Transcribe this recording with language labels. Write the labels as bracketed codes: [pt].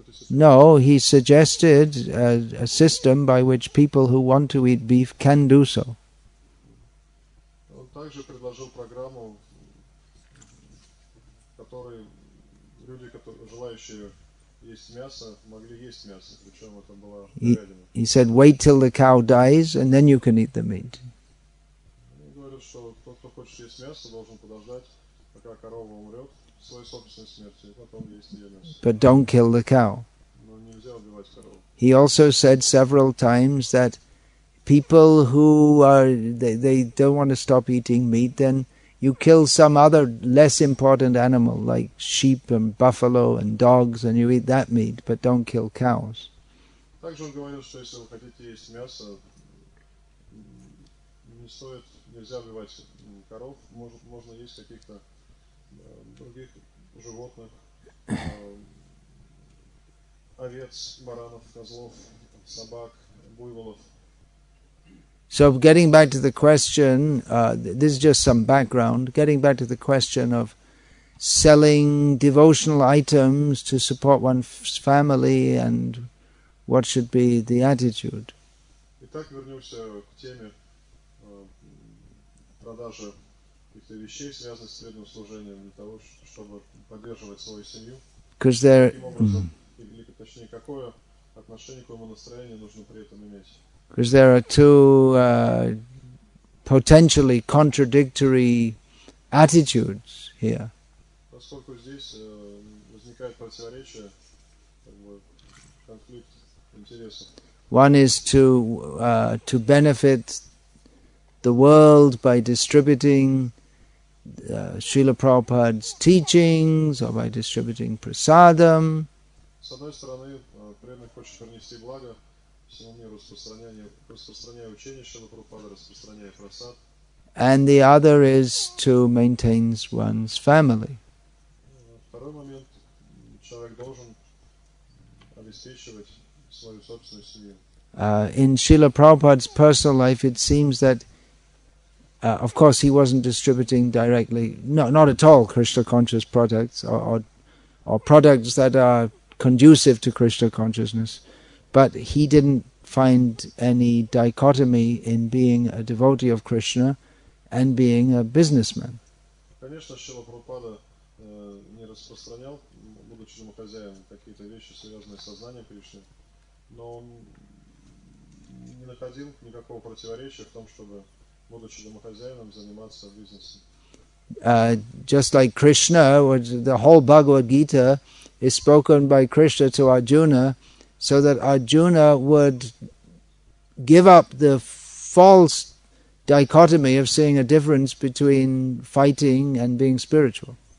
[en] No, he suggested a system by which people who want to eat beef can do so. [ru] также предложил программу, которой люди, которые, желающие есть мясо, могли есть мясо, причем это была говядина. [en] He said, wait till the cow dies, and then you can eat the meat. [ru] Он говорит, что тот, кто хочет есть мясо, должен подождать, пока корова умрет своей собственной смертью, и потом есть ее мясо. [en] But don't kill the cow. [ru] Но нельзя убивать корову. [en] He also said several times that people who are they don't want to stop eating meat, then you kill some other less important animal like sheep and buffalo and dogs, and you eat that meat, but don't kill cows. [ru] Также он говорил, что если вы хотите есть мясо, не стоит, нельзя убивать коров, можно есть каких-то других животных, овец, баранов, козлов, собак, буйволов. [en] So getting back to the question, this is just some background, getting back to the question of selling devotional items to support one's family and what should be the attitude. [ru] Итак, вернемся к теме продажи каких-то вещей, связанных с средним служением, для того, чтобы поддерживать свою семью. [en] Because there... [ru] Каким образом, или, точнее, какое отношение, какое настроение нужно при этом иметь? [en] Because there are two potentially contradictory attitudes here. [ru] Поскольку здесь возникает противоречие, как бы конфликт интересов. [en] One is to benefit the world by distributing Srila Prabhupada's teachings or by distributing prasadam. [ru] С одной стороны, преданный хочет принести благо всему миру, распространяя учение Шрилы Прабхупады, распространяя просад. [en] And the other is to maintain one's family. [ru] Второй момент. Человек должен обеспечивать свою собственную семью. [en] In Srila Prabhupada's personal life, it seems that of course he wasn't distributing directly, not at all Krishna conscious products or products that are conducive to Krishna consciousness, but he didn't find any dichotomy in being a devotee of Krishna and being a businessman. [ru] Конечно, Шрила Прабхупада не распространял, будучи домохозяином, какие-то вещи, связанные с сознанием Кришны, но он не находил никакого противоречия в том, чтобы, будучи домохозяином, заниматься бизнесом. [en] Just like Krishna, the whole Bhagavad Gita is spoken by Krishna to Arjuna, so that Arjuna would give up the false dichotomy of seeing a difference between fighting and being spiritual.